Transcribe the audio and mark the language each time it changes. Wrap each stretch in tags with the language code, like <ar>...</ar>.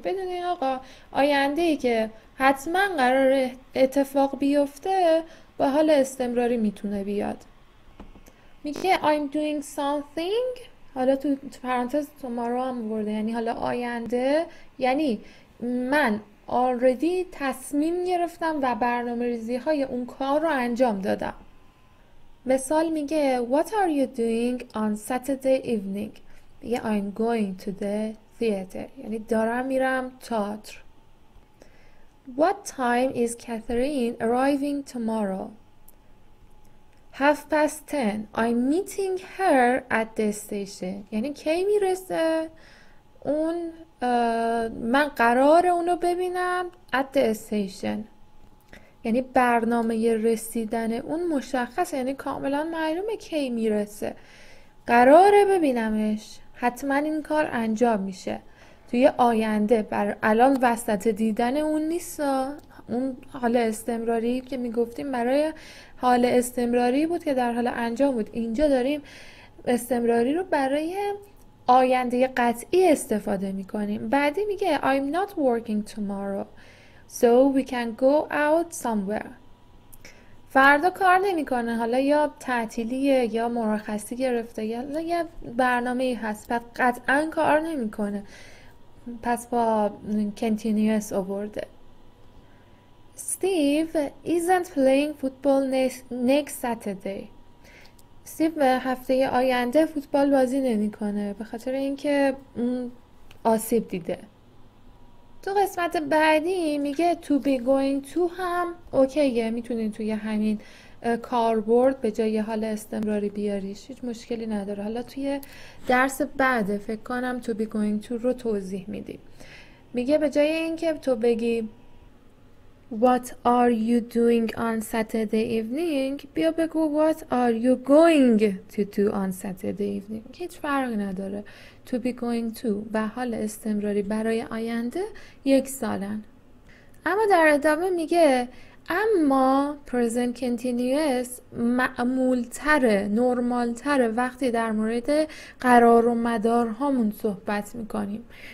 <fa>بدونین آقا آینده‌ای که حتما قرار اتفاق بیفته با حال استمراری میتونه بیاد. میگه</fa> <en>I'm doing something،</en> <fa>حالا تو پرانتز tomorrow هم برده، یعنی حالا آینده، یعنی من already تصمیم گرفتم و برنامه ریزی های اون کار رو انجام دادم. مثال میگه</fa> <en>What are you doing on Saturday evening؟ میگه I'm going to the theater،</en> <fa>یعنی دارم میرم تئاتر.</fa> <en>What time is Catherine arriving tomorrow? 10:30. I'm meeting her at the station.</en> <fa>یعنی کی میرسه؟ اون من قرار اونو ببینم</fa> <en>at the station.</en> <fa>یعنی برنامه رسیدن اون مشخص، یعنی کاملا معلومه کی میرسه. قراره ببینمش. حتما این کار انجام میشه. توی آینده، بر الان وسط دیدن اون نیستا. اون حال استمراری که میگفتیم برای حال استمراری بود که در حال انجام بود. اینجا داریم استمراری رو برای آینده قطعی استفاده میکنیم. بعدی میگه</fa> <en>I'm not working tomorrow so we can go out somewhere.</en> <fa>فردا کار نمیکنه، حالا یا تعطیلیه یا مرخصی گرفته یا یه برنامه هست، پس قطعا کار نمیکنه. پس با continuous آورده.</fa> <en>Steve isn't playing football next Saturday.</en> <fa>Steve هفته آینده فوتبال بازی نمی کنه به خاطر اینکه آسیب دیده. تو قسمت بعدی میگه to be going to هم اوکیه، میتونین توی همین کاربرد به جای حال استمراری بیاریش، هیچ مشکلی نداره. حالا توی درس بعد فکر کنم to be going to رو توضیح میدیم. میگه به جای اینکه تو بگی</fa> <en>What are you doing on Saturday evening؟</en> <fa>بیا بگو</fa> <en>What are you going to do on Saturday evening؟</en> <fa>هیچ فرق نداره. To be going to و حال استمراری برای آینده یک سالن. اما در ادامه میگه اما present continuous معمولتره، نرمالتره وقتی در مورد قرار و مدار هامون صحبت میکنیم.</fa>